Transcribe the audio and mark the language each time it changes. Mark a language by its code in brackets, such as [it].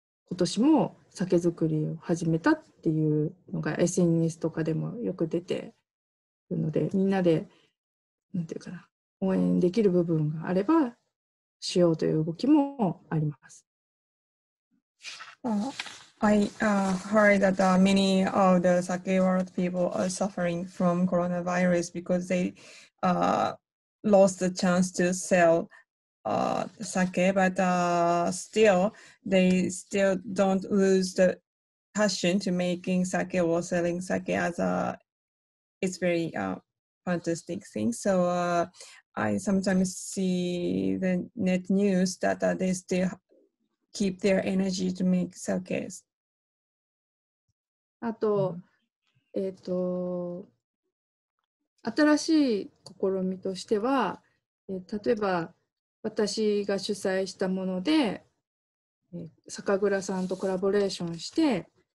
[ja] 今年も酒造りを始めたっていうのが SNS とかでもよく出てるのでみんなでなんていうかな応援できる部分があればしようという動きもあります。 [en] I heard that many of the sake world people are suffering from coronavirus because they lost the chance to sell sake, but still they still don't lose the passion to making sake or selling sake as a it's very fantastic thing. So I sometimes see the net news that they still keep their energy to make sake. [ja] あと、新しい試みとしては、例えば私が主催したもので、酒蔵さんとコラボレーションして、